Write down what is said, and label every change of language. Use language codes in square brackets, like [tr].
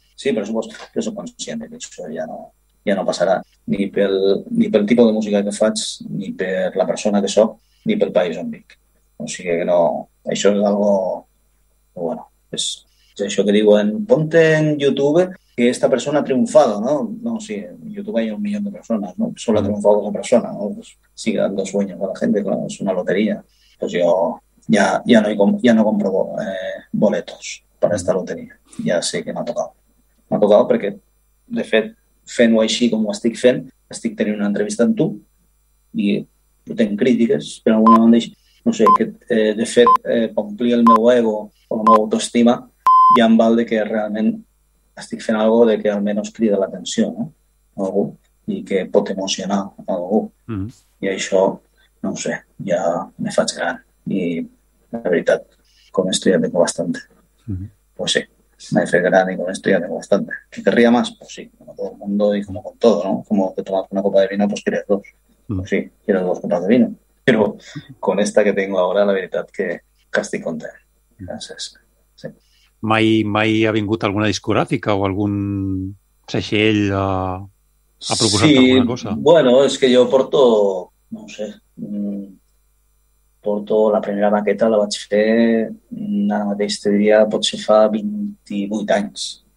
[es] Sí, pero supongo, yo soy consciente que eso ya no pasará [ca] ni pel tipo de música que faig, ni per la persona que soc, ni pel país on vic. O sigui que no, això és algo, bueno, és això que diuen, [es] ponte en YouTube que esta persona ha triunfado, [ca] ¿no? [es] No, sí, en YouTube hay un millón de personas, ¿no? Solo ha triunfado una persona, ¿no? Pues sigue dando sueños a la gente, claro, es una lotería. Pues yo... [ca] Ja no compro boletos per aquesta loteria. Ja sé que m'ha tocat. M'ha tocat perquè, de fet, fent-ho així com ho estic fent, estic tenint una entrevista amb tu i tinc crítiques, però alguna banda així, no sé, que de fet, complir el meu ego o la meva autoestima ja em val de que realment estic fent algo de que almenys crida l'atenció, no? Algú, i que pot emocionar algú. Mm. I això, no ho sé, ja me faig gran. I la veritat, [es] con esto ya tengo bastante. Mm-hmm. Pues sí, me he fet gran y con esto ya tengo bastante. ¿Que querría más? Pues sí, como todo el mundo y como con todo, ¿no? Como te tomas una copa de vino, pues quieres dos. Mm-hmm. Pues sí, quiero dos copas de vino. Pero con esta que tengo ahora, [ca] la veritat que estic content. [es] Gracias. Sí. [ca] mai ha vingut alguna discogràfica o algun segell a proposar sí, alguna cosa? Sí, bueno, és que jo porto, no ho sé, porto la primera maqueta, la vaig fer, ara mateix te diria, potser fa 28 anys.